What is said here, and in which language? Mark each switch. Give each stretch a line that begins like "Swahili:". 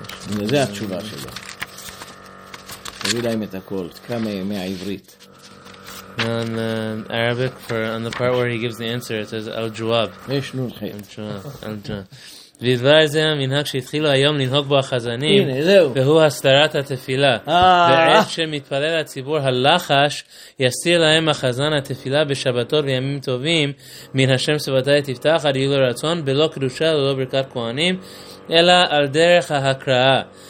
Hebrew: הנה זה התשובה שלו. תביא להם את הכל, תקרא מהעברית.
English: On the Arabic, on the part where he gives the answer, it says, Al-Juwab.
Hebrew: רש נון חץ.
Arabic: Al-Juwab.
Hebrew: בדבר זה המנהג שהתחילו היום לנהוג בו החזנים, והוא הסתרת התפילה. בעת שמתפלל הציבור הלחש, יסיר להם החזן התפילה בשבתות וימים טובים, מן השם סבתאי תפתח, עד יהיו לרצון, בלא קדושה ולא ברכת כהנים, אלא על דרך ההקראה.